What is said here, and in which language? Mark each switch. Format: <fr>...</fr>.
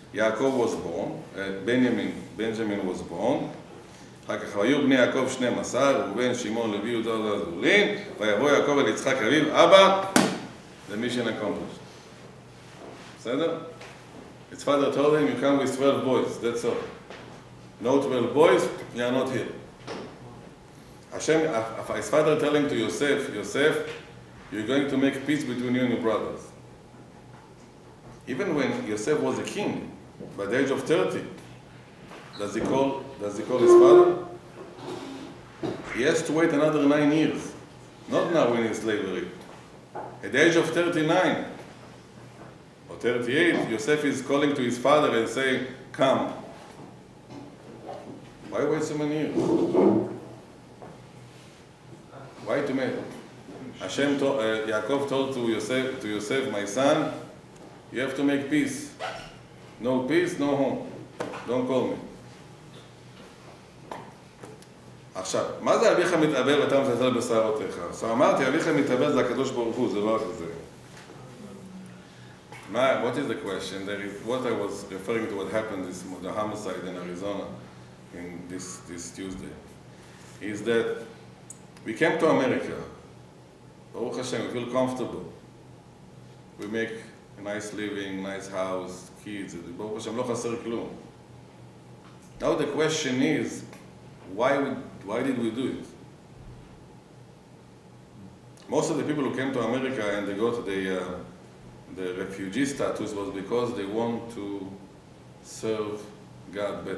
<he>יעקב was born, בנג'מין was born, אחר כך היו בני יעקב 12, ובן שמעון לוי יהודה וזבולון, ויבוא יעקב אל יצחק אביו, אבא,</he> <en>the mission accomplished.</en> <he>בסדר?</he> <en>His father told him, you come with 12 boys, that's all. No 12 boys, you are not here. Hashem, his father telling to Yosef, Yosef, you're going to make peace between you and your brothers. Even when Yosef was a king, by the age of 30, does he call his father? He has to wait another 9 years. Not now in his slavery. At the age of 39 or 38, Yosef is calling to his father and saying, come. Why wait so many years? Why to me? Hashem told, Yaakov told to Yosef, my son, you have to make peace. No peace, no home. Don't call me.</en> <he>עכשיו, מה זה אביך מתאבל ואתה מזלזל בשערותיך? אז אמרתי, אביך מתאבל זה הקדוש ברוך הוא, זה לא רק זה.</he> <en>מה, what is the question? There is, what I was referring to what happened this, the homicide in Arizona in this Tuesday, is that we came to America, ברוך השם, we feel comfortable. We make a nice living, nice house, kids,</en> <he>ברוך השם, לא חסר כלום.</he> <en>Now the question is, why did we do it? Most of the people who came to America and they got the refugee status was because they want to serve God better.</en>